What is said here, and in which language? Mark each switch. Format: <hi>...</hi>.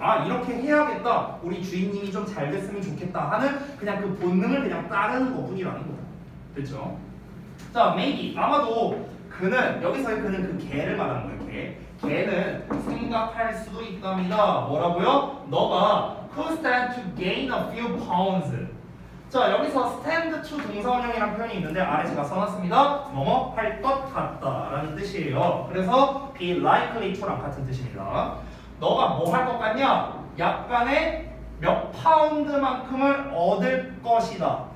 <ko>아, 이렇게 해야겠다. 우리 주인님이 좀 잘 됐으면 좋겠다 하는 그냥 그 본능을 그냥 따르는 것 뿐이라는 거다. 그쵸? 자,</ko> <en>maybe.</en> <ko>아마도 그는, 여기서의 그는 그 개를 말하는 거예요. 개. 개는 생각할 수도 있답니다. 뭐라고요? 너가</ko> <en>could stand to gain a few pounds.</en> <ko>자, 여기서 stand to 동사원형이라는 표현이 있는데 아래 제가 써놨습니다. 뭐뭐 할 것 같다 라는 뜻이에요. 그래서</ko> <en>be likely to</en> <ko>랑 같은 뜻입니다. 너가 뭐 할 것 같냐? 약간의 몇 파운드만큼을 얻을 것이다.</ko>